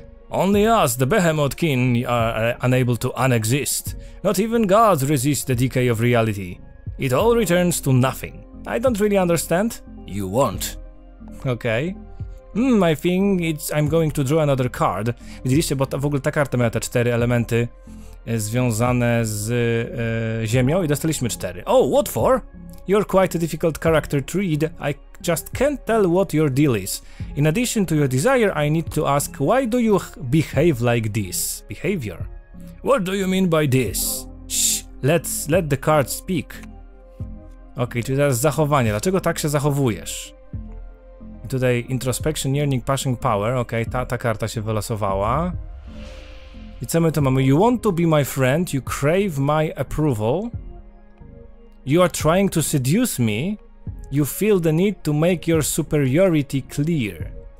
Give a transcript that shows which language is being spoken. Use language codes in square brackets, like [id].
[en] Only us, the Behemoth kin, are unable to unexist. Not even gods resist the decay of reality. It all returns to nothing. I don't really understand. You won't. Okay. I think I'm going to draw another card. [pl] Widzieliście, bo w ogóle ta karta miała te cztery elementy związane z ziemią i dostaliśmy cztery. [en] Oh, what for? You're quite a difficult character to read. I just can't tell what your deal is. In addition to your desire, I need to ask, why do you behave like this? Behavior? What do you mean by this? Shh, let the card speak. [pl] Okej, czyli teraz zachowanie. Dlaczego tak się zachowujesz? I tutaj [en] introspection, yearning, passion, power. [pl] Okej, ta karta się wylosowała. I co my tu mamy? [en] You want to be my friend, you crave my approval. You are trying to seduce me. You feel the need to make your superiority clear.